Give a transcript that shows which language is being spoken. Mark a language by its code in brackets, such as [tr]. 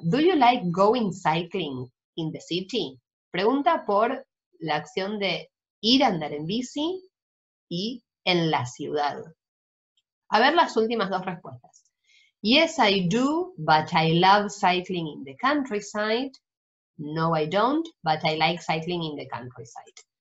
[en] Do you like going cycling in the city? [es] Pregunta por la acción de ir a andar en bici y en la ciudad. A ver las últimas dos respuestas. [en] Yes, I do, but I love cycling in the countryside. No, I don't, but I like cycling in the countryside.